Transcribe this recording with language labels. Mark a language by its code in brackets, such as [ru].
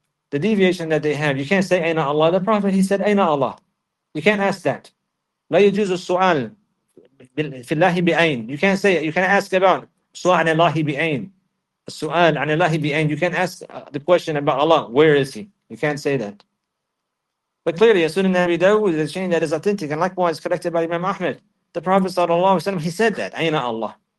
[en] The deviation that they have. You can't say Aina Allah. The Prophet, he said Aina Allah. You can't ask that. [ar] لا يجوز السؤال في الله بأين. [en] You can't say it. You can't ask about [ar] سؤال عن الله بأين. السؤال عن الله بأين. [en] You can't ask the question about Allah. Where is he? You can't say that. But clearly, as soon as Nabi Dawood, the chain that is authentic and likewise collected by Imam Ahmed, the Prophet sallallahu alaihi wasallam, he said that Aina Allah.